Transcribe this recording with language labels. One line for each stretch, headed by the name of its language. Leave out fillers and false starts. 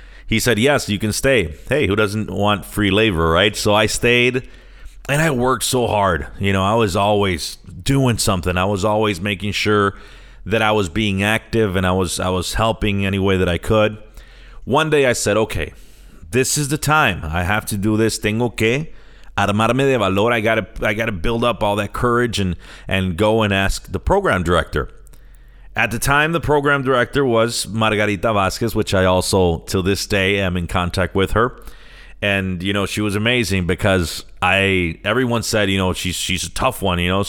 English: He said, yes, you can stay. Hey, who doesn't want free labor, right? So I stayed, and I worked so hard. You know, I was always doing something. I was always making sure that I was being active, and I was helping any way that I could. One day I said, okay, this is the time. I have to do this.
Spanish: Tengo que armarme de valor.
English: I gotta build up all that courage and go and ask the program director. At the time, the program director was Margarita Vasquez, which I also, till this day, am in contact with her. And, you know, she was amazing because everyone said, you know, she's a tough one, you know.